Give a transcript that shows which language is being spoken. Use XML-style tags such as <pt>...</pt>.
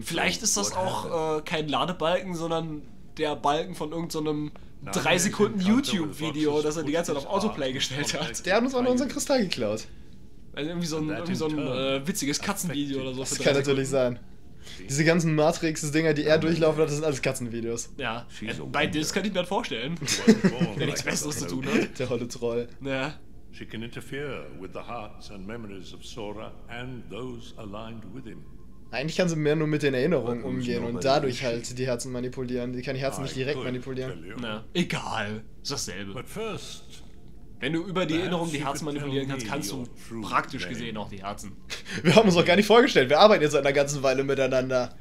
<de>Vielleicht ist das auch kein Ladebalken, sondern der Balken von irgendeinem 3-Sekunden YouTube-Video, das er die ganze Zeit auf Autoplay gestellt hat. Der hat uns auch noch unseren Kristall geklaut. Also irgendwie so ein witziges Katzenvideo oder so. Das kann natürlich sein. Diese ganzen Matrix-Dinger, die er durchlaufen hat, das sind alles Katzenvideos. Ja, bei Diz kann ich mir das vorstellen. Der nichts Besseres zu tun hat. Der holle Troll. Ja.</de> <en>She can interfere with the hearts and memories of Sora and those aligned with him.</en> <de>Eigentlich kann sie mehr nur mit den Erinnerungen umgehen und dadurch halt die Herzen manipulieren. Die kann die Herzen nicht direkt manipulieren. Na, egal. Ist dasselbe. Wenn du über die Erinnerung die Herzen manipulieren kannst, kannst du praktisch gesehen auch die Herzen. Wir haben uns auch gar nicht vorgestellt. Wir arbeiten jetzt seit einer ganzen Weile miteinander.</de>